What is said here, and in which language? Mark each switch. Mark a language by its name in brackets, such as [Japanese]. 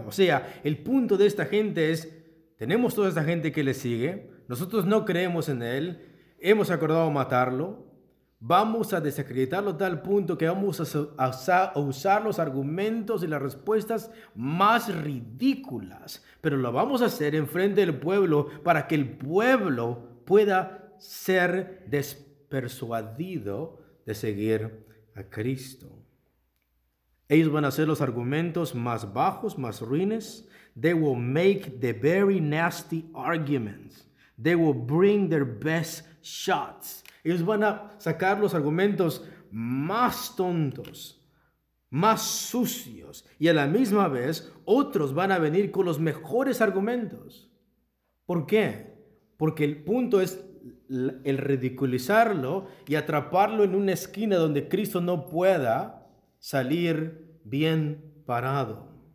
[Spanish] O sea, el punto de esta gente es: tenemos toda esta gente que le sigue, nosotros no creemos en él, hemos acordado matarlo, vamos a desacreditarlo a tal punto que vamos a usar los argumentos y las respuestas más ridículas, pero lo vamos a hacer en frente del pueblo para que el pueblo pueda ser despersuadido de seguir a Cristo. Ellos van a hacer los argumentos más bajos, más ruines. [English] They will make the very nasty arguments. They will bring their best shots. [Spanish] Ellos van a sacar los argumentos más tontos, más sucios. Y a la misma vez, otros van a venir con los mejores argumentos. ¿Por qué? Porque el punto es el ridiculizarlo y atraparlo en una esquina donde Cristo no pueda salir bien parado.